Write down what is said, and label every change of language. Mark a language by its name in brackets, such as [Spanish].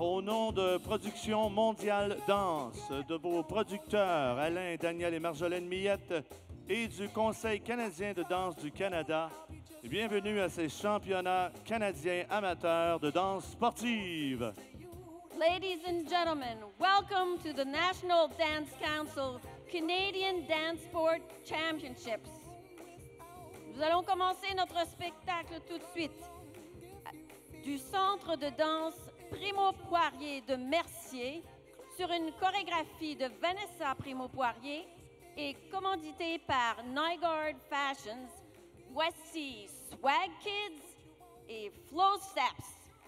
[French] Au nom de Production Mondiale Danse, de vos producteurs Alain, Daniel et Marjolaine Millette et du Conseil canadien de danse du Canada, bienvenue à ces championnats canadiens amateurs de danse sportive. [English] Ladies and gentlemen, welcome to the National Dance Council Canadian Dance Sport Championships. [French] Nous allons commencer notre spectacle tout de suite. Du centre de danse Primo Poirier de Mercier sur une chorégraphie de Vanessa Primo Poirier et commanditée par Nygaard Fashions, voici Swag Kids et Flow Steps.